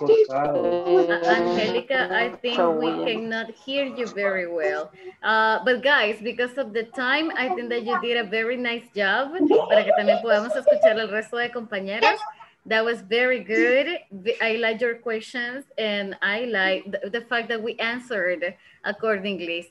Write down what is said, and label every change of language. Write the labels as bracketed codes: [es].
[en] Angelica, I think we cannot hear you very well. But guys, because of the time, I think that you did a very nice job. [es] Para que también podamos escuchar el resto de compañeros. [en] That was very good. I like your questions, and I like the fact that we answered accordingly.